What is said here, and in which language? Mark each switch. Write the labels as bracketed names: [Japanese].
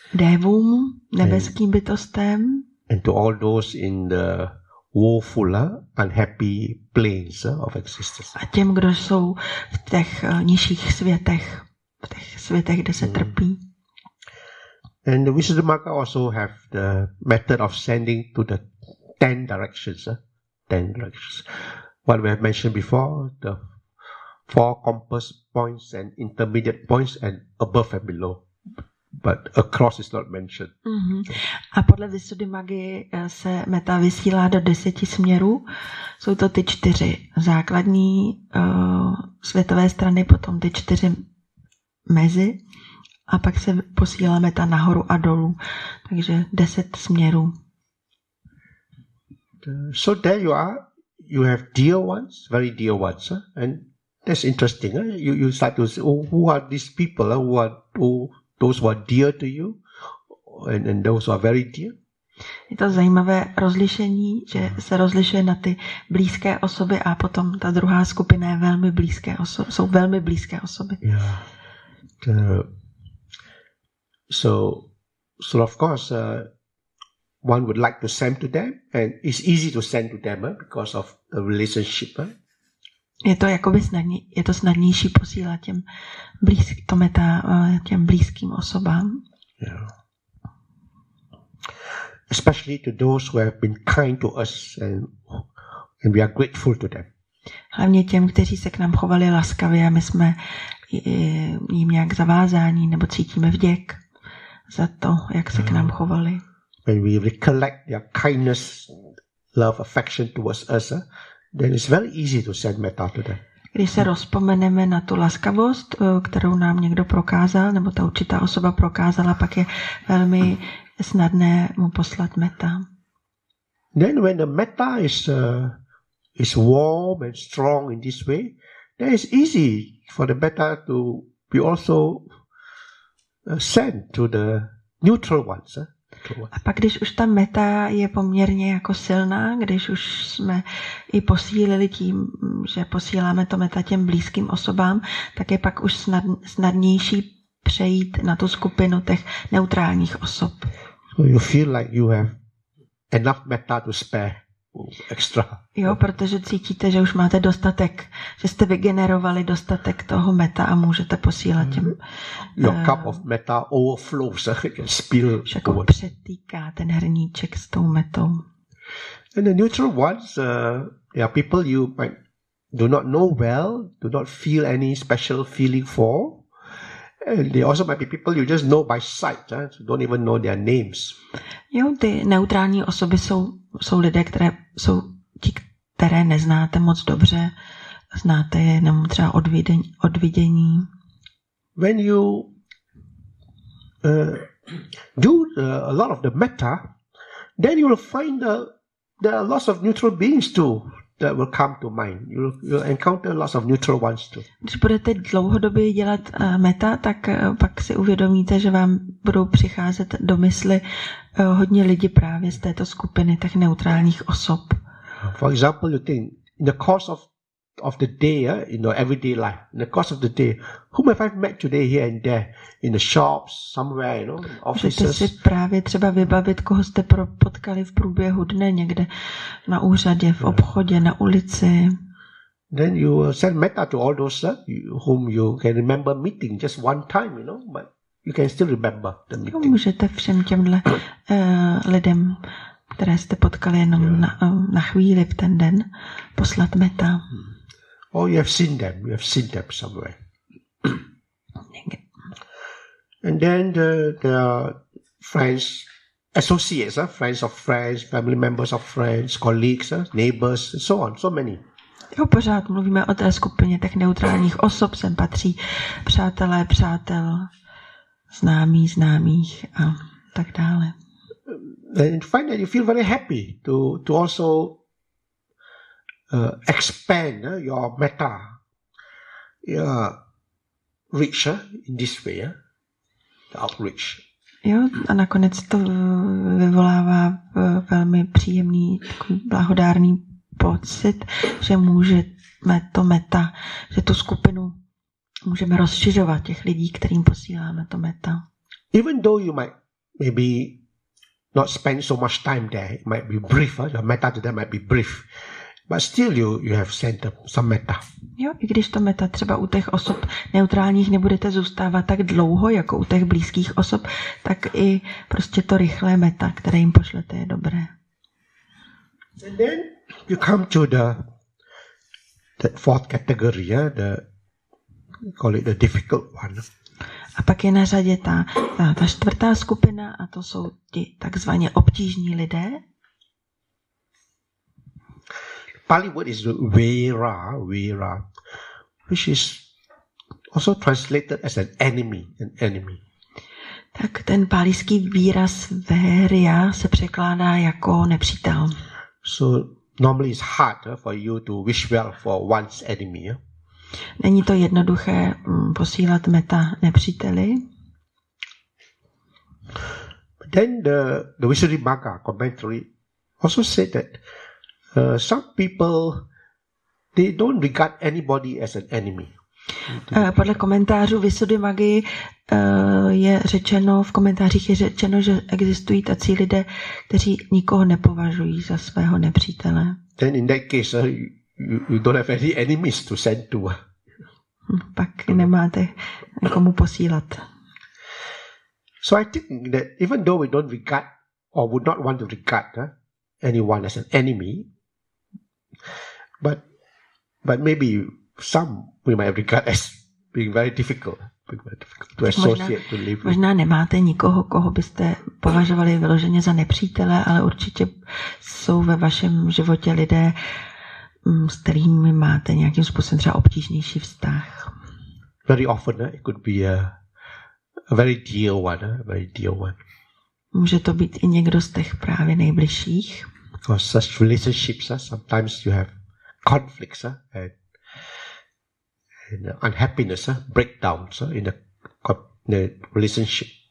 [Czech] Devům, nebeským bytostem. [English] And to all those in the woeful, unhappy planes of existence. [Czech] A těm, kdo jsou v těch nižších světech, v těch světech, kde se trpí. [English] And the Visuddhimagga also have the method of sending to the 10 directions. 10 directions. What we have mentioned before, the 4 compass points and intermediate points and above and below. But across is not mentioned. Mm-hmm. [Czech] A podle Visuddhimaggy se meta vysílá do 10 směrů. Jsou to ty 4 základní světové strany, potom ty 4 mezi. A pak se posílá meta nahoru a dolů. Takže 10 směrů. [English] So there you are. You have dear ones, very dear ones, and that's interesting. You start to say, oh, who are these people? Those who are dear to you, and those who are very dear. [Czech] Je to zajímavé rozlišení, že se rozlišuje na ty blízké osoby a potom ta druhá skupina je velmi blízké osoby, jsou velmi blízké osoby. [English] Yeah. So of course. One would like to send to them, and it's easy to send to them because of the relationship. [Czech] Je to jakoby snadnější posílat těm blízkým, to metá těm blízkým osobám. [English] Yeah. Especially to those who have been kind to us, and we are grateful to them. [Czech] Hlavně těm, kteří se k nám chovali laskavě, a my jsme jim nějak zavázáni, nebo cítíme vděk za to, jak se k nám chovali. [English] When we recollect their kindness, love, affection towards us, then it's very easy to send metta to them. [Czech] Když se rozpomeneme na tu laskavost, kterou nám někdo prokázal, nebo ta určitá osoba prokázala, pak je velmi snadné mu poslat metta. [English] Then when the metta is warm and strong in this way, then it's easy for the metta to be also sent to the neutral ones. [Czech] A pak, když už ta meta je poměrně jako silná, když už jsme i posílili tím, že posíláme to meta těm blízkým osobám, tak je pak už snadnější přejít na tu skupinu těch neutrálních osob. [English] So you feel like you have enough meta to spare extra. [Czech] Jo, protože cítíte, že už máte dostatek, že jste vygenerovali dostatek toho meta a můžete posílat těm. [English] Your cup of meta overflows, can spill. [Czech] Jako přetýká ten hrníček s tou metou. [English] And the neutral ones, people you might do not know well, do not feel any special feeling for. And they also might be people you just know by sight, so don't even know their names. [Czech] Jo, ty neutrální osoby jsou lidé, které jsou ti, které neznáte moc dobře, znáte je jenom třeba od vidění. [English] When you do a lot of the metta, then you will find there are lots of neutral beings too. That will come to mind. You'll encounter lots of neutral ones too. [Czech] Když budete dlouhodobě dělat meta, tak pak si uvědomíte, že vám budou přicházet do mysli hodně lidí právě z této skupiny těch neutrálních osob. [English] For example, you think in the course of the day, in your everyday life, in the course of the day, whom have I met today here and there in the shops, somewhere, you know, offices. [Czech] Můžete si právě třeba vybavit, koho jste potkali v průběhu dne někde na úřadě, v obchodě, na ulici. [English] Then you send metta to all those whom you can remember meeting just one time, you know, but you can still remember the meeting. [Czech] Můžete všem těmhle lidem, které jste potkali jenom na chvíli v ten den, poslat metta. [English] Oh, you have seen them somewhere. And then the friends, associates, friends of friends, family members of friends, colleagues, neighbors, so on, so many. [Czech] Jo, pořád mluvíme o té skupině těch neutrálních osob, sem patří přátelé, přátel, známí, známých a tak dále. [English] And find that you feel very happy to also expand your meta, your reach in this way, the outreach. [Czech] Jo, a nakonec to vyvolává velmi příjemný, blahodárný pocit, že můžeme to meta, že tu skupinu můžeme rozšiřovat těch lidí, kterým posíláme to meta. [English] Even though you might maybe not spend so much time there, it might be brief, your meta to them might be brief, but still you have sent some meta. [Czech] Jo, i když to meta třeba u těch osob neutrálních nebudete zůstávat tak dlouho, jako u těch blízkých osob, tak i prostě to rychlé meta, které jim pošlete, je dobré. [English] And then you come to the fourth category, the call it the difficult one. [Czech] A pak je na řadě ta čtvrtá skupina, a to jsou ti takzvaně obtížní lidé. [English] Pali word is vera, which is also translated as an enemy. [Czech] Tak ten palijský výraz vera se překládá jako nepřítel. [English] So normally it's hard for you to wish well for one's enemy. [Czech] Není to jednoduché posílat meta nepříteli. [English] But then the Visuddhimagga commentary also said that some people they don't regard anybody as an enemy. [Czech] Podle komentářů Visuddhimaggy je řečeno, že existují tací lidé, kteří nikoho nepovažují za svého nepřítele. [English] Then in that case you don't have any enemies to send to. [Czech] Pak nemáte komu posílat. [English] So I think that even though we don't regard or would not want to regard anyone as an enemy, but maybe some we might regard as being very difficult to associate, [Czech] možná, [English] to live with. [Czech] Možná nemáte nikoho, koho byste považovali vyloženě za nepřítele, ale určitě jsou ve vašem životě lidé, s kterými máte nějakým způsobem třeba obtížnější vztah. [English] Very often it could be a very dear one, [Czech] Může to být i někdo z těch právě nejbližších. [English] Because such relationships, sometimes you have conflicts and unhappiness, breakdowns in the relationship.